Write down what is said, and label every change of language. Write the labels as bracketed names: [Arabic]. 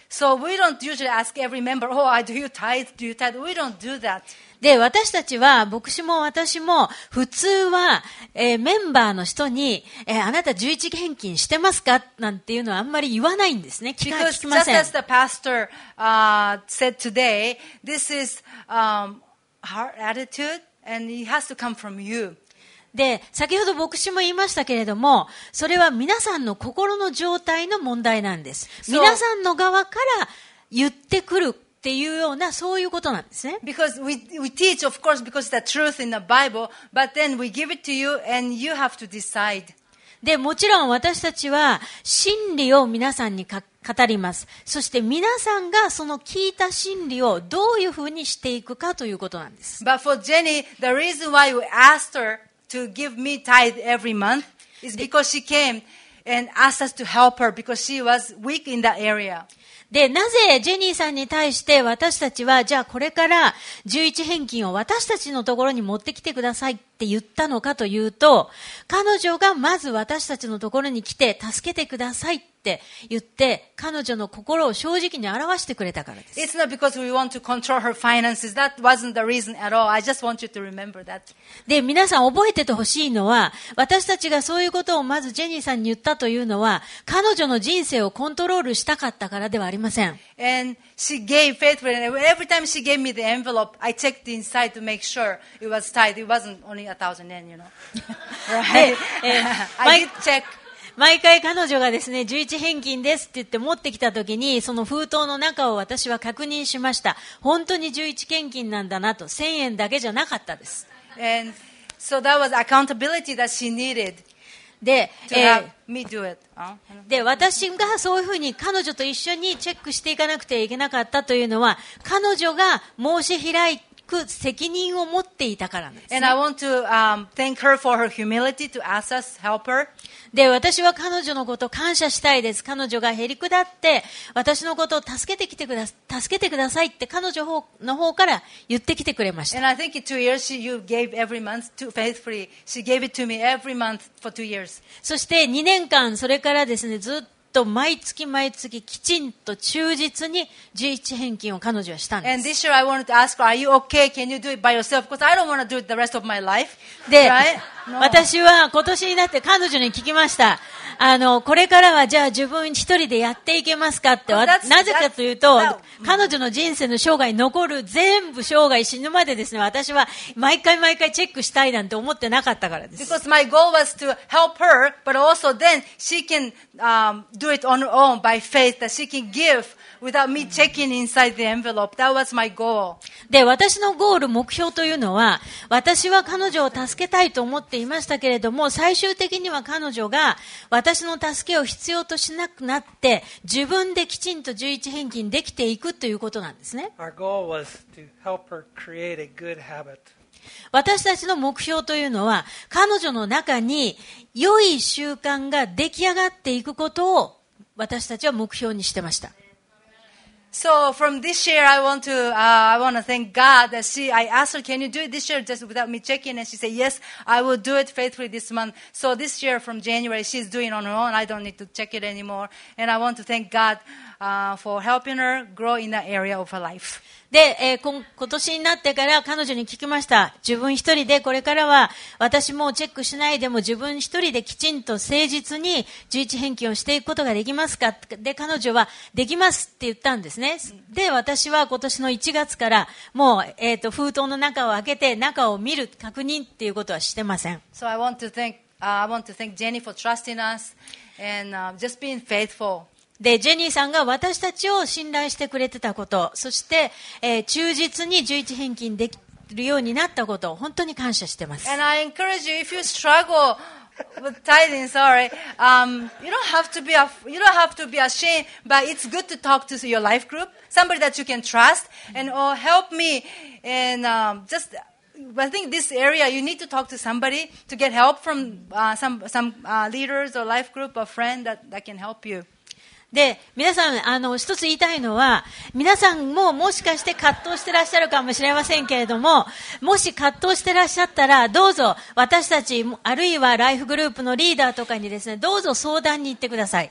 [English] So we don't usually ask every member, oh, do you tithe? Do you tithe? We don't do that. [Japanese] で私たちは、牧師も私も普通は、メンバーの人に、あなた11献金してますかなんていうのはあんまり言わないんですね。聞きません。 [English] Because just as the pastor, said today, this is, heart attitude and it has to come from you. [Japanese] で先ほど牧師も言いましたけれども、それは皆さんの心の状態の問題なんです。皆さんの側から言ってくるっていうような、そういうことなんですね。 [English] Because we teach, of course, because it's the truth in the Bible, but then we give it to you and you have to decide. [Japanese] で、もちろん私たちは真理を皆さんに語ります。そして皆さんがその聞いた真理をどういうふうにしていくかということなんです。 [English] But for Jenny, the reason why we asked her to give me tithe every month is because she came. And asked us to help her because she was weak in that area. [Japanese] で、なぜジェニーさんに対して私たちは、じゃあこれから11返金を私たちのところに持ってきてくださいって言ったのかというと、彼女がまず私たちのところに来て助けてくださいって言って、彼女の心を正直に表してくれたからです。 [English] It's not because we want to control her finances. That wasn't the reason at all. I just want you to remember that. [Japanese] で、皆さん覚えててほしいのは、私たちがそういうことをまずジェニーさんに言ったというのは、彼女の人生をコントロールしたかったからではありません。 [English] And she gave faithfully. Every time she gave me the envelope, I checked the inside to make sure it was tight. It wasn't only a thousand yen, you know. Right? I did check. [Japanese] 毎回彼女がですね、11返金ですって言って持ってきた時に、その封筒の中を私は確認しました。本当に11返金なんだなと、1000円だけじゃなかったです。 [English] And so that was accountability that she needed. [Japanese] で、 [English] to have me do it. [Japanese] で、私がそういうふうに彼女と一緒にチェックしていかなくてはいけなかったというのは、彼女が申し開いて、責任を持っていたからなんですね。 [English] And I want to, thank her for her humility to ask us help her. [Japanese] で、私は彼女のこと感謝したいです。彼女がへりくだって私のことを助けてくださいって彼女の方から言ってきてくれました。 [English] And I think 2 years she you gave every month to faithfully. She gave it to me every month for 2 years. [Japanese] そして2年間それからですね、ずっと毎月毎月きちんと忠実に11返金を彼女はしたんです。 [English] And this year I wanted to ask her, are you okay? Can you do it by yourself? Because I don't want to do it the rest of my life. で、right? no. [Japanese] 私は今年になって彼女に聞きました。これからはじゃあ自分一人でやっていけますかって、なぜかというと、彼女の人生の生涯残る全部生涯死ぬまでですね、私は毎回毎回チェックしたいなんて思ってなかったからです。 [English] Because my goal was to help her, but also then she can, do it on her own by faith that she can give without me checking inside the envelope. That was my goal. [Japanese] で、私のゴール、目標というのは、私は彼女を助けたいと思っていましたけれども、最終的には彼女が、私の助けを必要としなくなって自分できちんと11返金できていくということなんですね。 [English] Our goal was to help her create a good habit. [Japanese] 私たちの目標というのは彼女の中に良い習慣が出来上がっていくことを私たちは目標にしてました。 [English] So from this year I want to thank God that she I asked her can you do it this year just without me checking and she said yes I will do it faithfully this month so this year from January she's doing on her own I don't need to check it anymore and I want to thank God for helping her grow in that area of her life. [Japanese] で、今年になってから彼女に聞きました。自分一人でこれからは私もチェックしないでも自分一人できちんと誠実に11返金をしていくことができますか。で、彼女はできますって言ったんですね。で、私は今年の1月からもう封筒の中を開けて中を見る確認っていうことはしてません。 [English] So I want to thank Jenny for trusting us and just being faithful. [Japanese] で、ジェニーさんが私たちを信頼してくれてたこと、そして、忠実に11返金できるようになったこと、本当に感謝してます。 [English] And I encourage you, if you struggle with tithing, sorry, you don't have to be ashamed, but it's good to talk to your life group, somebody that you can trust, and or help me, and just, I think this area, you need to talk to somebody to get help from some leaders or life group or friend that can help you. [Japanese] で、皆さん、一つ言いたいのは、皆さんももしかして葛藤してらっしゃるかもしれませんけれども、もし葛藤してらっしゃったら、どうぞ私たち、あるいはライフグループのリーダーとかにですね、どうぞ相談に行ってください。